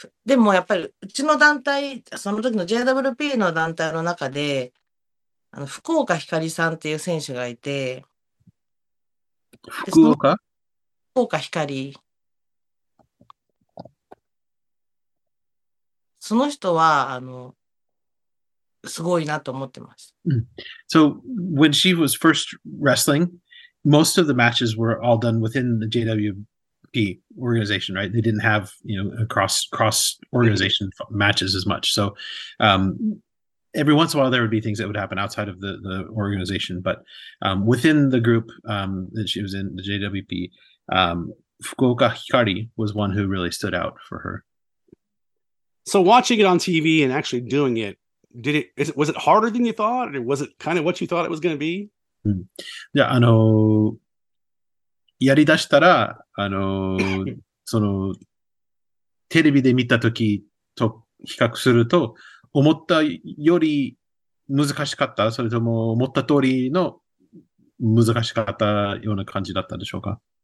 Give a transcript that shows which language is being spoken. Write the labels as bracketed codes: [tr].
[ja] でもやっぱりうちの団体、その時の JWP の団体の中で、福岡ひかりさんっていう選手がいて、で、福その岡？福岡ひかり、その人は、すごいなと思ってます。 [en] So when she was first wrestling, most of the matches were all done within the JWP organization, right? They didn't have, cross organization matches as much. So every once in a while, there would be things that would happen outside of the organization, but within the group that she was in, the JWP, Fukuoka Hikari was one who really stood out for her. So watching it on TV and actually doing it, was it harder than you thought, or was it kind of what you thought it was going to be? [ja] Yeah, やりだしたら、テレビで見たときと比較すると、思ったより難しかった？それとも思った通りの難しかったような感じだったでしょうか？